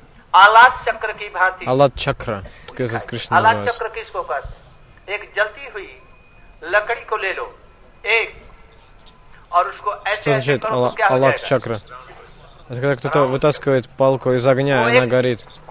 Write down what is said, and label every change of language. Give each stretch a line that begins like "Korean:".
Russian: Алад чакра, такой этот Кришна
Hindi: Алад чакра किसको कहते हैं? एक जलती हुई लकड़ी को ले लो, एक और उसको ऐसे करो, क्या होता है? Алад чакра.
Russian: Это когда кто-то вытаскивает палку из огня, и она горит.